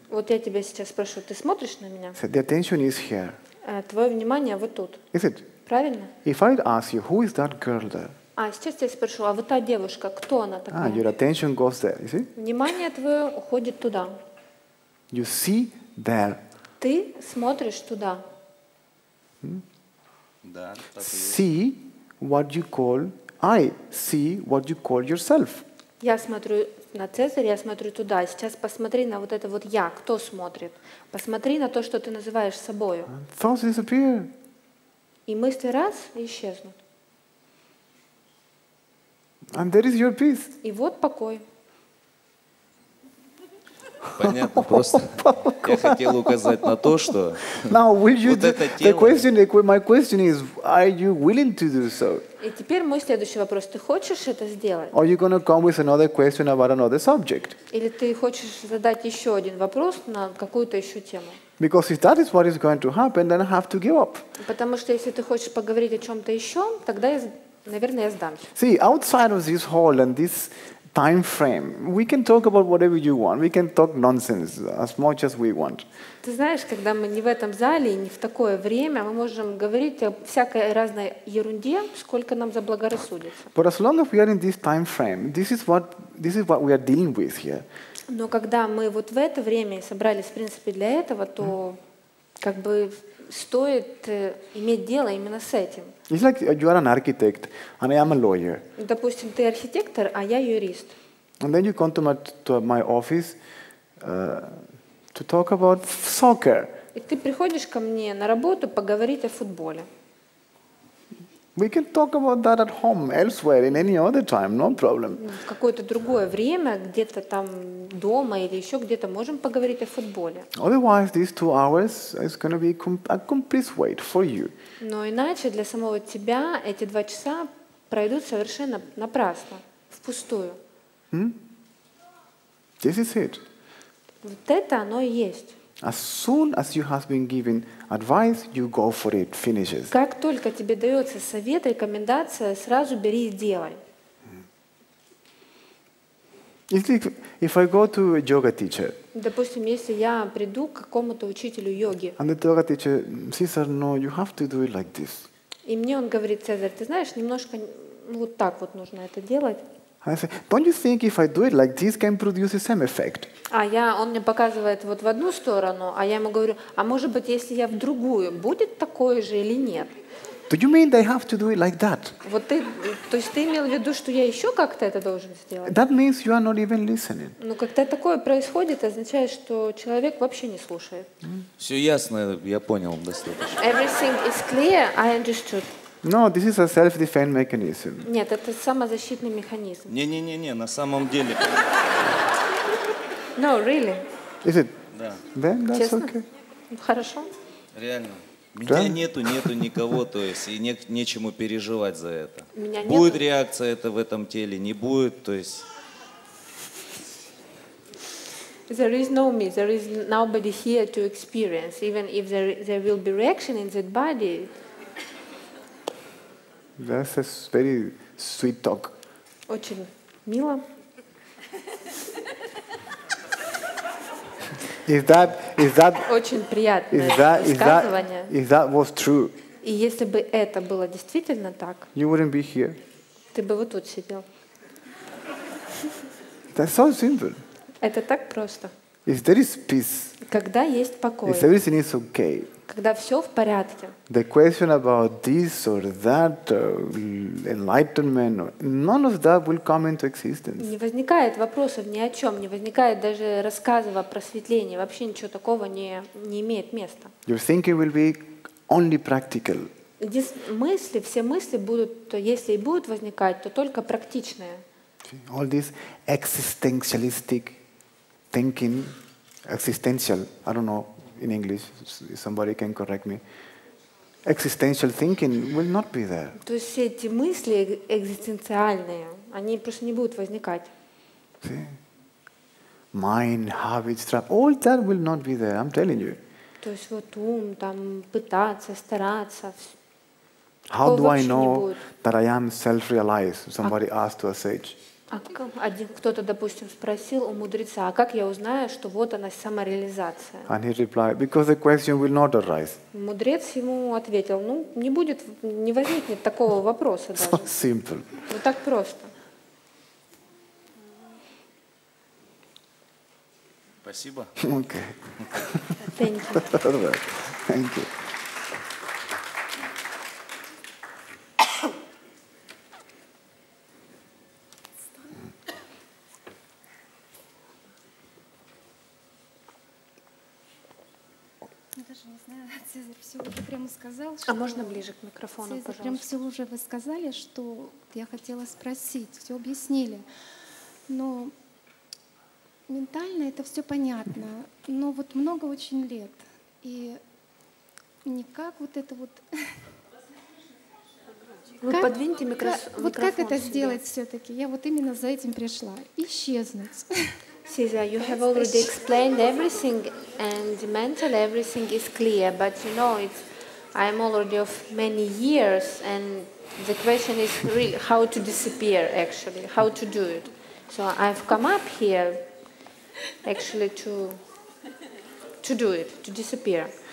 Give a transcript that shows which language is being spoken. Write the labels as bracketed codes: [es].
[ru] Вот я тебя сейчас спрошу, ты смотришь на меня? [en] So the attention is here. [ru] Твое внимание вот тут. [en] Is it? [ru] Правильно? [en] If I ask you, who is that girl there? [ru] А сейчас я спрошу, а вот та девушка, кто она такая? [en] Your attention goes there, you see? [ru] Внимание твое уходит туда. [en] You see there. [ru] Ты смотришь туда. Да, [en] see what you call. I see what you call yourself. [ru] Я смотрю на Цезаря, я смотрю туда. Сейчас посмотри на вот это вот я. Кто смотрит? Посмотри на то, что ты называешь собою. [en] Thoughts disappear. [ru] И мысли раз и исчезнут. [en] And there is your peace. [ru] И вот покой. Понятно, просто я хотел указать на то, что [en] now, will you [ru] вот это тело... [en] The question, my question is, are you willing to do so? [ru] И теперь мой следующий вопрос. Ты хочешь это сделать? [en] Are you going to come with another question about another subject? [ru] Или ты хочешь задать еще один вопрос на какую-то еще тему? [en] Because if that is what is going to happen, then I have to give up. [ru] Потому что если ты хочешь поговорить о чем-то еще, тогда, я, наверное, я сдамся. [en] See, outside of this hall and this... Time frame. We can talk about whatever you want. We can talk nonsense as much as we want. [ru] Ты знаешь, когда мы не в этом зале и не в такое время, мы можем говорить о всякой разной ерунде, сколько нам заблагорассудится. [en] But as long as we are in this time frame, this is what we are dealing with here. [ru] Но когда мы вот в это время собрались, в принципе, для этого, то как бы стоит иметь дело именно с этим. [en] It's like you are an architect and I am a lawyer. [ru] Допустим, ты архитектор, а я юрист. [en] And then you come to my office to talk about soccer. [ru] И ты приходишь ко мне на работу поговорить о футболе. [en] We can talk about that at home, elsewhere, in any other time, no problem. [ru] В какое-то другое время, где-то там дома или еще где-то можем поговорить о футболе. [en] Otherwise, these 2 hours is going to be a complete wait for you. [ru] Но иначе для самого тебя эти 2 часа пройдут совершенно напрасно, впустую. [en] This is it. [ru] Вот это оно и есть. [en] As soon as you have been given advice, you go for it. Finishes. [ru] Как только тебе дается совет, рекомендация, сразу бери и делай. [en] If I go to a yoga teacher. [ru] Допустим, если я приду к какому-то учителю йоги. [en] And the yoga teacher, Caesar, no, you have to do it like this. [ru] И мне он говорит, Цезарь, ты знаешь, немножко вот так вот нужно это делать. [en] I say, don't you think if I do it like this, can produce the same effect? [ru] А я, он мне показывает вот в одну сторону, а я ему говорю, а может быть, если я в другую, будет такое же или нет? [en] Do you mean they have to do it like that? [ru] Вот ты, то есть ты имел в виду, что я еще как-то это должен сделать? [en] That means you are not even listening. [ru] Ну, когда такое происходит, означает, что человек вообще не слушает. Все ясно, я понял достаточно. [en] Everything is clear, I understood. No, this is a self-defense mechanism. [ru] Нет, это самозащитный механизм. Не, на самом деле. [en] No, really. Is it? [ru] Да. [en] Then that's [ru] честно? [en] Okay. [ru] Хорошо. Реально. Меня да? нету никого, то есть, и нечему переживать за это. Меня нет. Будет реакция это в этом теле, не будет, то есть. [en] There is no me, there is nobody here to experience. Even if there will be reaction in that body. That's a very sweet talk. [ru] Очень мило. [en] Is that? [ru] Очень приятное высказывание. [en] Is that was true? [ru] И если бы это было действительно так? [en] You wouldn't be here. [ru] Ты бы вот тут сидел. [en] That's so simple. [ru] Это так просто. [en] If there is peace, [ru] когда есть покой, [en] if everything is okay, [ru] когда все в порядке, [en] the question about this or that enlightenment, none of that will come into existence. [ru] Не возникает вопросов ни о чем, не возникает даже рассказов о просветлении, вообще ничего такого не имеет места. [en] Your thinking will be only practical. [ru] Мысли, все мысли будут, если и будут возникать, то только практичные. [en] All this existentialistic thinking, existential, I don't know in English, somebody can correct me. Existential thinking will not be there. [ru] То есть все эти мысли экзистенциальные, они просто не будут возникать. [en] See? Mind, habits, all that will not be there, I'm telling you. [ru] То есть вот ум, там, пытаться, стараться, все. [en] How do I know that I am self-realized? Somebody asked to a sage. [ru] Один кто-то, допустим, спросил у мудреца, а как я узнаю, что вот она самореализация? [en] And he replied, because the question will not arise. [ru] Мудрец ему ответил, ну не будет, не возникнет такого вопроса даже. [en] So simple. [ru] Ну так просто. Спасибо. [en] Okay. Thank you. Thank you. [ru] Цезарь все уже прямо сказал. Что... А можно ближе к микрофону, Цезарь, пожалуйста? Прямо все уже вы сказали, что я хотела спросить, все объяснили. Но ментально это все понятно. Но вот много очень лет. И никак вот это вот... Вы как... подвиньте микрофон. Вот как это сделать все-таки? Я вот именно за этим пришла. Исчезнуть. [en] Cesar, you have already explained everything, and mental everything is clear. But you know, I'm already of many years, and the question is really how to disappear. Actually, how to do it. So I've come up here, actually, to do it, to disappear.